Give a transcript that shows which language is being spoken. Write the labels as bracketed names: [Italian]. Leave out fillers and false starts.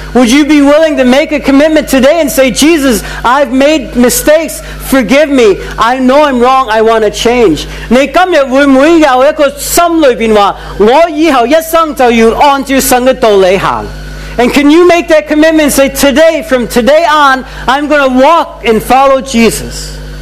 [English] Would you be willing to make a commitment today and say, Jesus, I've made mistakes, forgive me. I know I'm wrong, I want to change. [Chinese] 你今日会不会有一个心里边话，我以后一生就要按照神的道理行。 [English] And can you make that commitment and say, today, from today on, I'm going to walk and follow Jesus.